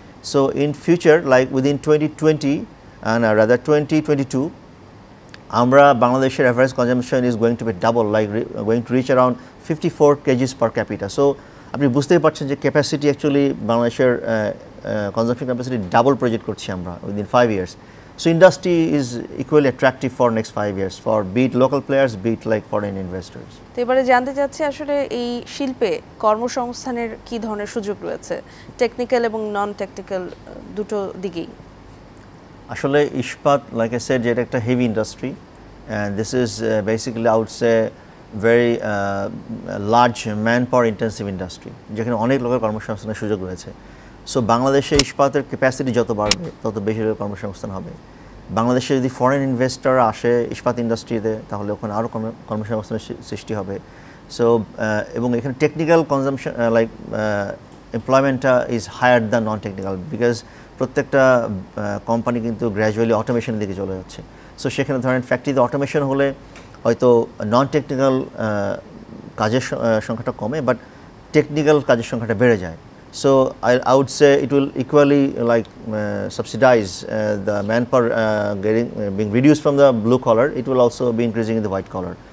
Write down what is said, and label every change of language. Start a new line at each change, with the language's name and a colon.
English: so in future like within 2022
Bangla: আমরা বাংলাদেশের
English: Average consumption is going to be double, like going to reach around 54 kgs per capita.
Bangla: So আপনি বুঝতেই পারছেন যে capacity actually বাংলাদেশের consumption capacity double project করছি আমরা
English: Within 5 years. So industry is equally attractive for next 5 years, for be it local players, be it like foreign investors.
Bangla: এবারে জানতে চাচ্ছি আসলে এই শিল্পে কর্মসংস্থানের কি ধরনের সুযোগ রয়েছে, টেকনিক্যাল এবং নন টেকনিক্যাল দুটো দিকেই। আসলে ইস্পাত
English: like I said যেটা একটা heavy industry, and this is basically I would say very large man power intensive industry,
Bangla: যেখানে অনেক লোকের কর্মসংস্থানের সুযোগ রয়েছে। সো বাংলাদেশে ইস্পাতের ক্যাপাসিটি যত বাড়বে তত বেশি কর্মসংস্থান হবে। বাংলাদেশে যদি ফরেন ইনভেস্টার আসে ইস্পাত ইন্ডাস্ট্রিতে তাহলে ওখানে আরও কর্মসংস্থানের সৃষ্টি হবে। সো এবং এখানে technical consumption
English: like এমপ্লয়মেন্টটা is higher than non technical,
Bangla: because প্রত্যেকটা কোম্পানি কিন্তু গ্র্যাজুয়ালি অটোমেশনের দিকে চলে যাচ্ছে। সো সেখানে ধরেন ফ্যাক্টরিতে অটোমেশন হলে হয়তো নন টেকনিক্যাল কাজের সংখ্যাটা কমে, বাট টেকনিক্যাল কাজের সংখ্যাটা বেড়ে যায়।
English: So I would say it will equally like subsidize the manpower getting being reduced from the blue collar, it will also be increasing in the white collar.